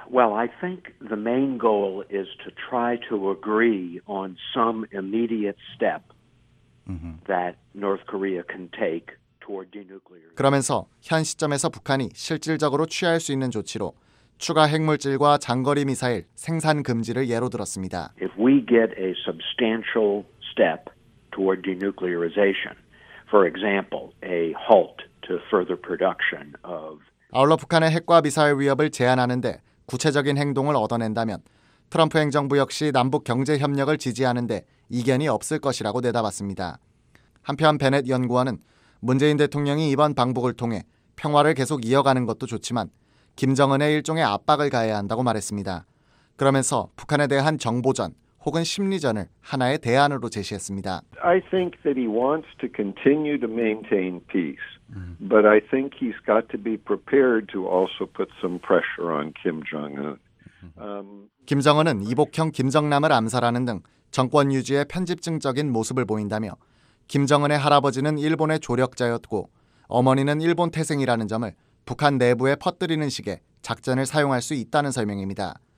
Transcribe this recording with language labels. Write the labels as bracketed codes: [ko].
[en] Well, I think the main goal is to try to agree on some immediate step that North Korea can take toward denuclear. [ko] 그러면서 현 시점에서 북한이 실질적으로 취할 수 있는 조치로 추가 핵물질과 장거리 미사일 생산 금지를 예로 들었습니다. [en] If we get a substantial step toward denuclearization, for example, a halt to further production of [ko] 아울러 북한의 핵과 미사일 위협을 제한하는데 구체적인 행동을 얻어낸다면 트럼프 행정부 역시 남북 경제 협력을 지지하는데 이견이 없을 것이라고 내다봤습니다. 한편 베넷 연구원은 문재인 대통령이 이번 방북을 통해 평화를 계속 이어가는 것도 좋지만 김정은의 일종의 압박을 가해야 한다고 말했습니다. 그러면서 북한에 대한 정보전 혹은 심리전을 하나의 대안으로 제시했습니다. [en] I think that he wants to continue to maintain peace. But I think he's got to be prepared to also put some pressure on Kim Jong-un. [ko] 김정은은 이복형 김정남을 암살하는 등 정권 유지에 편집증적인 모습을 보인다며 김정은의 할아버지는 일본의 조력자였고 어머니는 일본 태생이라는 점을 북한 내부에 퍼뜨리는 식의 작전을 사용할 수 있다는 설명입니다.